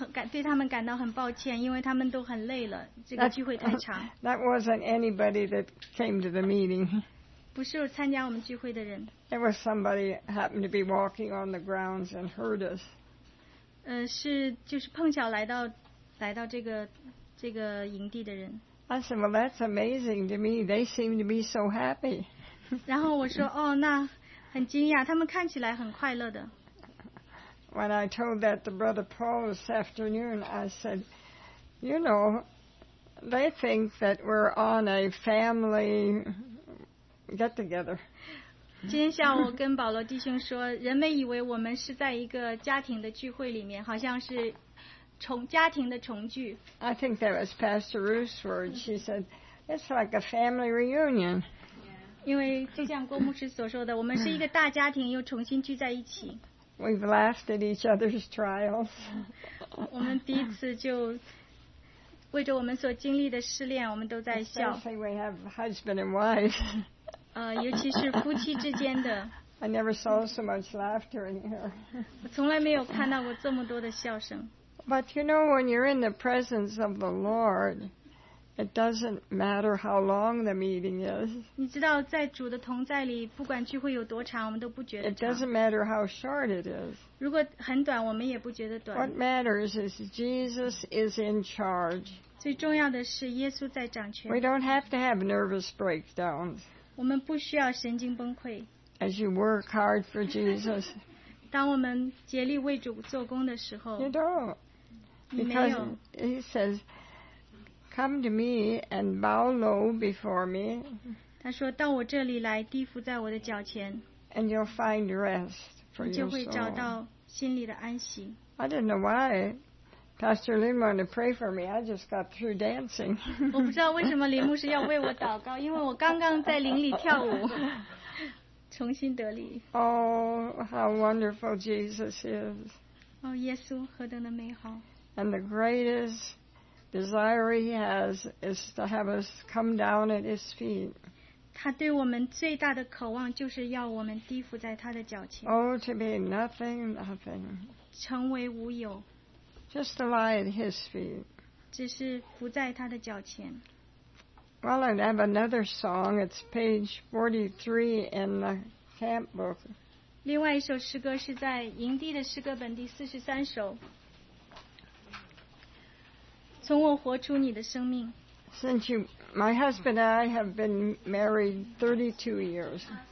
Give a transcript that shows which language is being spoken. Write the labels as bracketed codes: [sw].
[zh] 对他们感到很抱歉，因为他们都很累了，这个聚会太长。 [en] That wasn't anybody that came to the meeting. [zh] 不是参加我们聚会的人。 [en] It was somebody happened to be walking on the grounds and heard us. [zh] 是碰巧来到这个营地的人。 [en] I said, well, that's amazing to me. They seem to be so happy. [zh] 然后我说，哦，那很惊讶，他们看起来很快乐的。 [en] When I told that to Brother Paul this afternoon, I said, you know, they think that we're on a family get-together. [zh] 今天下午我跟保罗弟兄说，人们以为我们是在一个家庭的聚会里面，好像是家庭的重聚。 [en] I think that was Pastor Ruth's word. She said, it's like a family reunion. [zh] 因为就像郭牧师所说的，我们是一个大家庭，又重新聚在一起。 [en] We've laughed at each other's trials. [zh] 我们彼此就为着我们所经历的试炼，我们都在笑。 [en] Especially we have husband and wife. [zh] 尤其是夫妻之间的。 [en] I never saw so much laughter in here. [zh] 我从来没有看到过这么多的笑声。 [en] But you know, when you're in the presence of the Lord, it doesn't matter how long the meeting is. [zh] 你知道，在主的同在里，不管聚会有多长，我们都不觉得长。 [en] It doesn't matter how short it is. [zh] 如果很短，我们也不觉得短。 [en] What matters is Jesus is in charge. [zh] 最重要的是耶稣在掌权。 [en] We don't have to have nervous breakdowns. [zh] 我们不需要神经崩溃。 [en] As you work hard for Jesus. [zh] 当我们竭力为主做工的时候， [en] you don't. Because he says, "Come to me and bow low before me." [zh] 他说到我这里来，低伏在我的脚前。 [en] And you'll find rest for your soul. [zh] 就会找到心里的安息。 [en] I didn't know why Pastor Lynn wanted to pray for me. I just got through dancing. [zh] 我不知道为什么林牧师要为我祷告，因为我刚刚在灵里跳舞。重新得力。 [en] Oh, how wonderful Jesus is. [zh] Oh, 耶稣何等的美好。 [en] And the greatest desire he has is to have us come down at his feet. [zh] 他对我们最大的渴望就是要我们低伏在他的脚前。 [en] Oh, to be nothing, nothing. [zh] 成为无有。 [en] Just to lie at his feet. [zh] 只是伏在他的脚前。 [en] Well, I have another song. It's page 43 in the camp book. [zh] 另外一首诗歌是在营地的诗歌本第43首。从我活出你的生命。 [en] Since you, my husband and I have been married 32 years.